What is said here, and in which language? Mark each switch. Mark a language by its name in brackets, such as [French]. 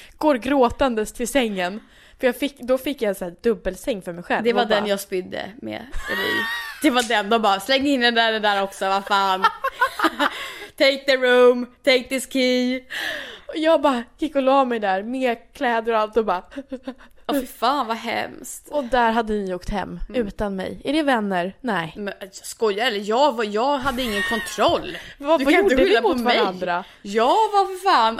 [Swedish] Går gråtandes till sängen. För jag fick, då fick jag en sån här dubbelsäng för mig själv. Det var den bara, jag spydde med. Det var den. De bara, släng in den där också, vad fan. [English] Take the room, take this key. [Swedish] Och jag bara gick och la mig där med kläder och allt och bara... Åh, fy fan, vad hemskt. Och där hade ni åkt hem utan mig. Är det vänner? Nej. Men, skojar, eller jag hade ingen kontroll. Vad gjorde du mot mig? Varandra? Jag var för fan.